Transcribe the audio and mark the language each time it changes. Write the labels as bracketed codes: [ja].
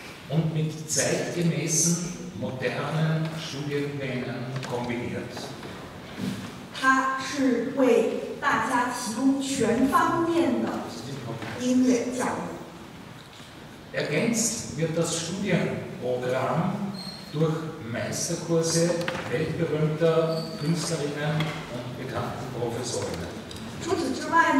[de] Und mit zeitgemäßen modernen Studiengängen kombiniert. [zh] 它是为大家提供全方面的音乐教育。 [de] Ergänzt wird das Studienprogramm durch Meisterkurse weltberühmter Künstlerinnen und bekannten Professorinnen.